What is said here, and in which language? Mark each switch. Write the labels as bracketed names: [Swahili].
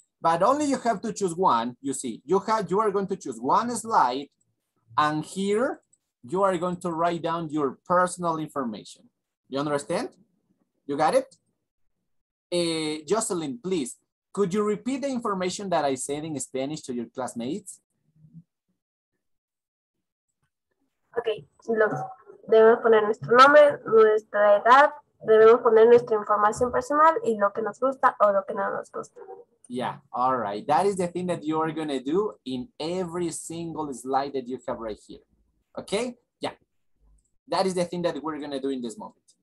[English] But only you have to choose one. You see, you are going to choose one slide, and here you are going to write down your personal information. You understand? You got it? Jocelyn, please, could you repeat the information that I said in Spanish to your classmates? [Spanish] Okay, debemos poner nuestro nombre, nuestra edad, debemos poner nuestra información personal y lo que nos gusta o lo que no nos gusta. [English] Yeah, all right. That is the thing that you are going to do in every single slide that you have right here. Okay? Yeah. That is the thing that we're going to do in this moment.